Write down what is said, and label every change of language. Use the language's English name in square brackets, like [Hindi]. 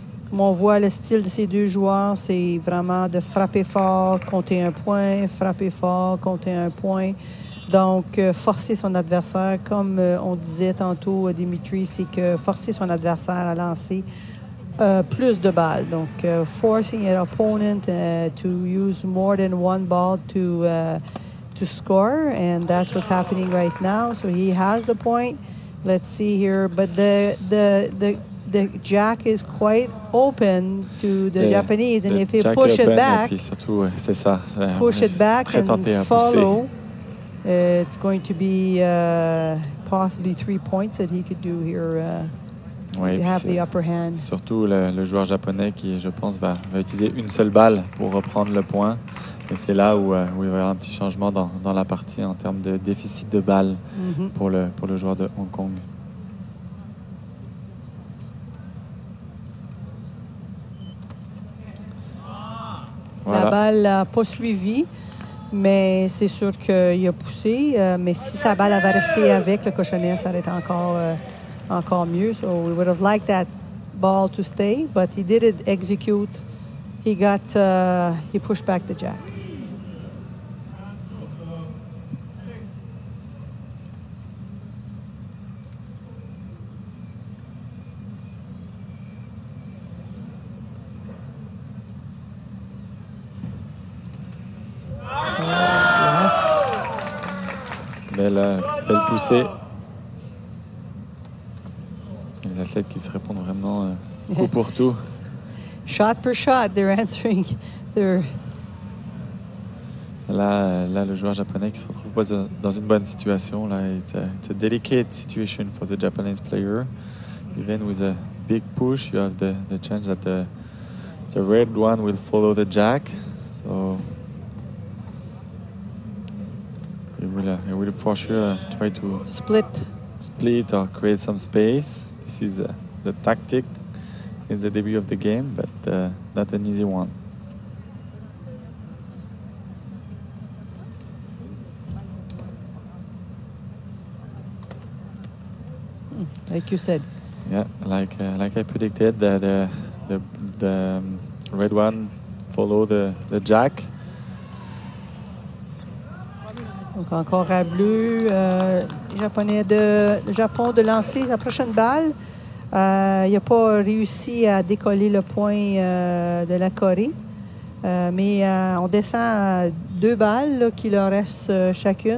[French] Comme on voit le style de ces deux joueurs, c'est vraiment de frapper fort, compter un point, frapper fort, compter un point. Donc forcer son adversaire, comme on disait tantôt à Dimitri, c'est que forcer son adversaire à lancer plus de balles. Donc [English] forcing your opponent to use more than one ball to score, and that's what's happening right now. So he has the point. Let's see here, but the jack is quite open to the Japanese, and if he push it back, push it back and follow, it's going to be possibly 3 points that he could do here. [French] Oui, [English] have the upper hand. [French] Surtout le joueur japonais qui, je pense, va utiliser une seule balle pour reprendre le point. Et c'est là où il va y avoir un petit changement dans la partie en termes de déficit de balles pour le joueur de Hong Kong. Ah. La balle n'a pas suivi, mais c'est sûr qu'il a poussé. Mais si sa balle avait resté avec le cochonnet, ça aurait été encore, encore mieux. [English] So we would have liked that ball to stay, but he did execute. He got, he pushed back the jack. [French] Belle poussée. Les athlètes qui se répondent vraiment coup pour tout. [English] Shot per shot, they're answering. [French] Là, le joueur japonais qui se retrouve pas dans une bonne situation. Là, [English] it's a delicate situation for the Japanese player. Even with a big push, you have the chance that the red one will follow the jack. So. He will for sure try to split or create some space. This is the tactic since the debut of the game, but not an easy one. Like you said. Yeah, like I predicted, the red one follow the jack. [French] Donc encore à bleu, japonais de Japon de lancer la prochaine balle. Il n'a pas réussi à décoller le point de la Corée. Mais on descend à deux balles là, qui leur restent chacune.